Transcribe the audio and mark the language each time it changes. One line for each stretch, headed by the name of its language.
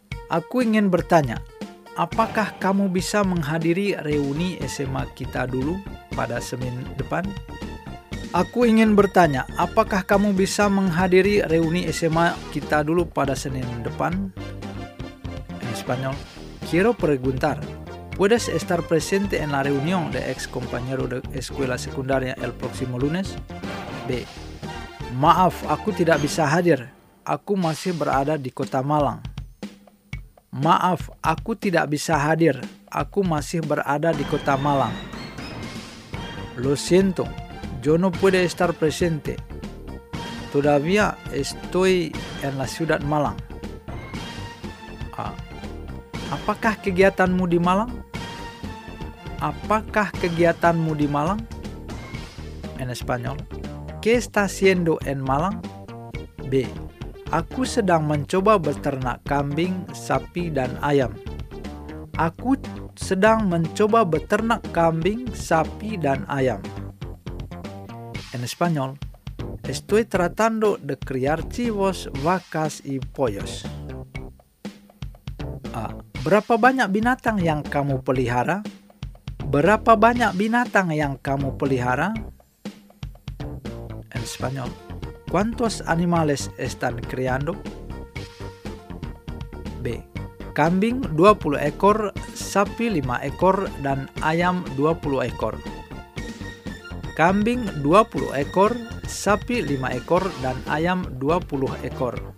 Indonesian: Aku ingin bertanya, apakah kamu bisa menghadiri reuni SMA kita dulu pada Senin depan? Aku ingin bertanya, apakah kamu bisa menghadiri reuni SMA kita dulu pada Senin depan?
Spanish: En español, quiero preguntar, ¿puedes estar presente en la reunión de ex compañero de escuela secundaria el próximo lunes? B.
Indonesian: Maaf, aku tidak bisa hadir. Aku masih berada di Kota Malang. Maaf, aku tidak bisa hadir. Aku masih berada di Kota Malang.
Spanish: Lo siento, yo no puedo estar presente. Todavía estoy en la ciudad Malang.
Indonesian: A. Apakah kegiatanmu di Malang? Apakah kegiatanmu di Malang?
Spanish: En español. ¿Qué está haciendo en Malang? B.
Indonesian: Aku sedang mencoba beternak kambing, sapi, dan ayam. Aku sedang mencoba beternak kambing, sapi, dan ayam.
Spanish: En español, estoy tratando de criar chivos, vacas, y pollos. A.
Indonesian: Berapa banyak binatang yang kamu pelihara? Berapa banyak binatang yang kamu pelihara?
Spanish: En español, ¿cuántos animales están criando?
Indonesian: B. Kambing 20 ekor, sapi 5 ekor, dan ayam 20 ekor. Kambing 20 ekor, sapi 5 ekor, dan ayam 20 ekor.